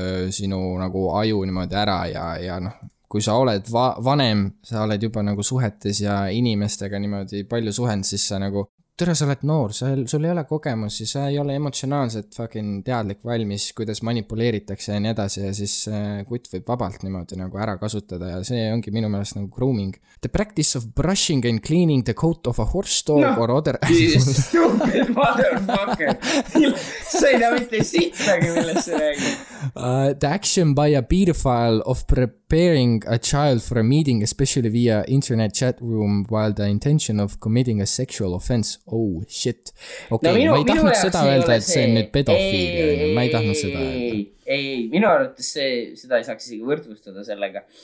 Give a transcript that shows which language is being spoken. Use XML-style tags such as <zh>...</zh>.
<et>sinu nagu aju niimoodi ära ja noh, kui sa oled vanem, sa oled juba nagu suhetes ja inimestega niimoodi palju suhend, siis sa nagu Türa, sa oled noor, sul ei ole kogemus ja sa ei ole emotsionaalselt fucking teadlik valmis, kuidas manipuleeritakse ja nii edasi ja siis kut võib vabalt niimoodi nagu ära kasutada ja see ongi minu mõelest nagu grooming.</et> <en>The practice of brushing and cleaning the coat of a horse dog no. or other... No, stupid motherfucker!</en> <et>Sa ei näe mitte sitagi, millest sa räägid.</et> <en>The action by a pedophile of preparing a child for a meeting, especially via internet chat room, while the intention of committing a sexual offense. Oh, shit.</en> <et>Okei, okay, no, ma ei tahtnud seda öelda, et see on nüüd pedofiil. Ma ei tahtnud seda öelda. Ei, minu arvates seda ei saaks isegi võrdustada sellega.</et>